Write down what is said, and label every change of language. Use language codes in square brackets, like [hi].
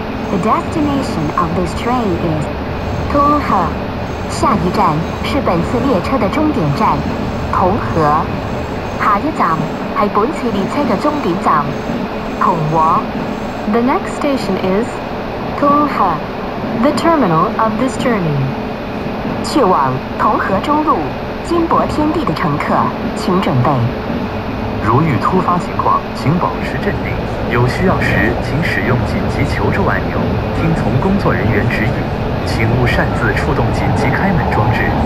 [en] The destination of this train is 同和。 [zh] 下一站是本次列车的终点站同和。下一站是本次列车的终点站同和。 [en] The next station is [zh] 同和。 [en] The terminal of this journey. [zh] 去往同和中路金博天地的乘客请准备。如遇突发情况请保持镇定，有需要时请使用紧急求助按钮，听从工作人员指引，请勿擅自触动紧急开门装置。